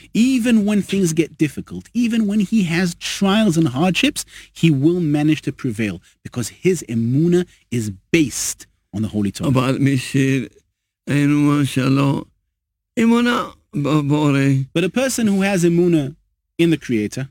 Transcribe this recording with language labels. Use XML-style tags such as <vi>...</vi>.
<en>Even when things get difficult, even when he has trials and hardships, he will manage to prevail, because his אמונה is based on the Holy Torah.</en> <he>אבל מי שאמונה שלו, אמונה בבורא.</he> <en>But a person who has אמונה in the Creator,</en>